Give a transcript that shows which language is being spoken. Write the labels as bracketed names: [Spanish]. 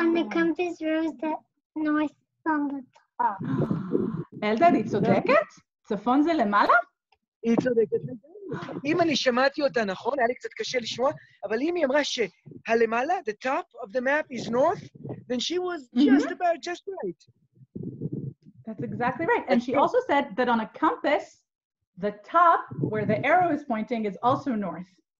[English] On the compass rose, the north is on the top. [Hebrew] Eldad, היא צודקת? צפון זה למעלה? היא צודקת. אם אני שמעתי אותה נכון, היה לי קצת קשה לשמוע, אבל אם היא אמרה שהלמעלה, [English] the top of the map is north, then she was just about just right. That's exactly right. And she also said that on a compass, the top where the arrow is pointing is also north.